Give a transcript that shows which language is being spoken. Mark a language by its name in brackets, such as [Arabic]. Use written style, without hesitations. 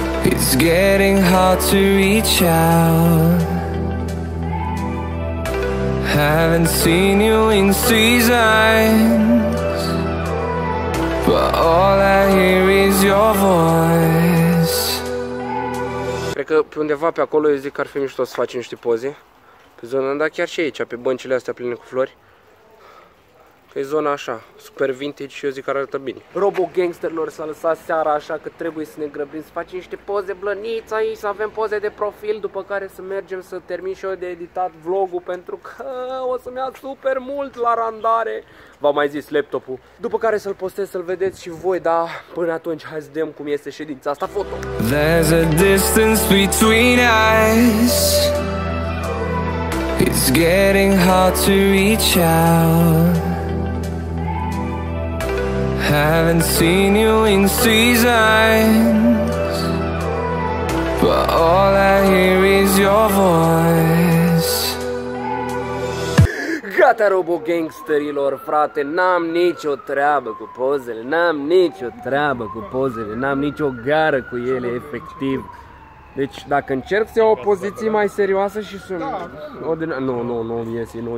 [English] It's getting hard to reach out. Haven't seen you in seasons, but all I hear is your voice. [Romanian] Cred că pe undeva pe acolo eu zic că ar fi mișto să facem niște poze. Pe zona, dar chiar și aici, pe băncile astea pline cu flori. E zona așa, super vintage și eu zic că arată bine. Robo gangsterilor s-a lăsat seara, așa că trebuie să ne grăbim să facem niște poze blăniți aici, să avem poze de profil, după care să mergem să termin și eu de editat vlogul, pentru că o să-mi ia super mult la randare. V-am mai zis laptopul. După care să-l postez, să-l vedeți și voi, dar până atunci hai să vedem cum este ședința asta foto. [English] There's a distance between us. It's getting hard to reach out. Haven't seen you in seasons, but all I hear is your voice. [Romanian] Gata, robo gangsterilor, frate, n-am nicio treabă cu pozele, n-am nicio treabă cu pozele, n-am nicio gară cu ele, efectiv. Deci, dacă încerc să iau o poziție mai serioasă și sunt... Nu,